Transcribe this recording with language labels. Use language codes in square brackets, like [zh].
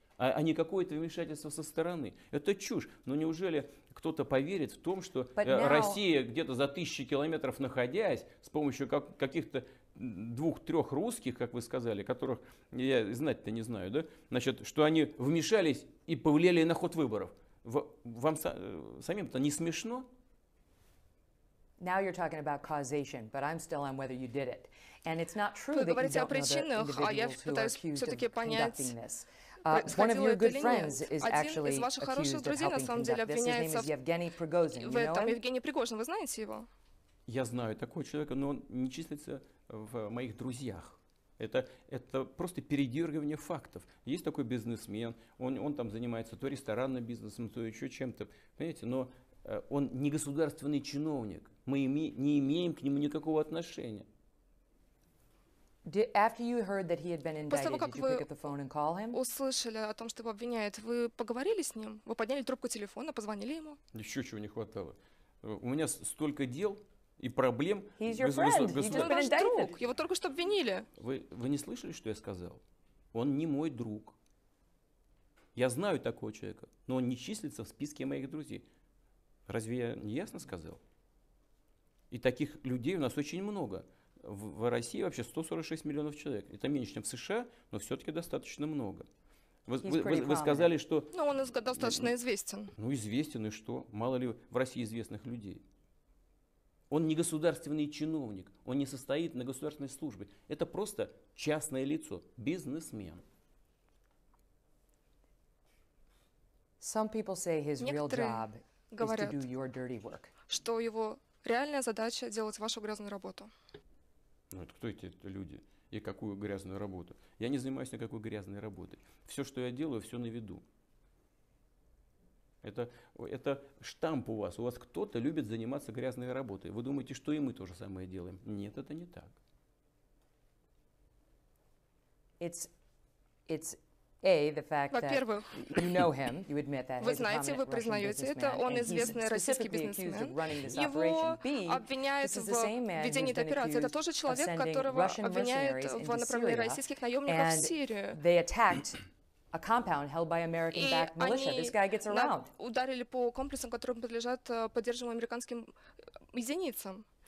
[ru] а не какое-то вмешательство со стороны. Это чушь. Но неужели кто-то поверит в том, что Россия, где-то за тысячи километров находясь, с помощью каких-то двух-трех русских, как вы сказали, которых я знать-то не знаю, да, значит, что они вмешались и повлияли на ход выборов. Вам самим-то не смешно? [en] Now you're talking about causation, but I'm still on whether you did it. And it's not true that you don't know the individuals who are accused of conducting this. One of your good friends is actually accused of helping conduct this. His name is Yevgeny Prigozhin. You know him? [ru] Евгений Пригожин, вы знаете его? Я знаю такого человека, но он не числится в моих друзьях. Это просто передергивание фактов. Есть такой бизнесмен, он там занимается то ресторанным бизнесом, то еще чем-то. Понимаете, но он не государственный чиновник. Мы не имеем к нему никакого отношения. [en] After you heard that he had been indicted, did you pick up the phone and call him? [ru] Услышали о том, что его обвиняют. Вы поговорили с ним? Вы подняли трубку телефона, позвонили ему? Еще чего не хватало. У меня столько дел и проблем. [en] He's your friend. He's just been indicted. [ru] Его только что обвинили. Вы не слышали, что я сказал? Он не мой друг. Я знаю такого человека, но он не числится в списке моих друзей. Разве я не ясно сказал? И таких людей у нас очень много. В России вообще 146 миллионов человек. Это меньше, чем в США, но все-таки достаточно много. Вы сказали, что... Ну, он достаточно известен. Ну, известен, и что? Мало ли в России известных людей. Он не государственный чиновник. Он не состоит на государственной службе. Это просто частное лицо. Бизнесмен. [en] Some people say his real job is to do your dirty work. [ru] Что его реальная задача – делать вашу грязную работу. Ну, это кто эти люди? И какую грязную работу? Я не занимаюсь никакой грязной работой. Все, что я делаю, все на виду. Это штамп у вас. У вас кто-то любит заниматься грязной работой. Вы думаете, что и мы то же самое делаем? Нет, это не так. [en] It's A, the fact [ru] во-первых, [en] that you know him, you admit that. [ru] Вы знаете, вы признаете это, он известный российский бизнесмен. Его обвиняют в ведении этой операции. Это тоже человек, которого обвиняют в направлении российских наемников в Сирию. [en] They attacked a compound held by American-backed militia. This guy gets around. [ru] Ударили по комплексам, которым подлежат поддерживаемым американским единицам.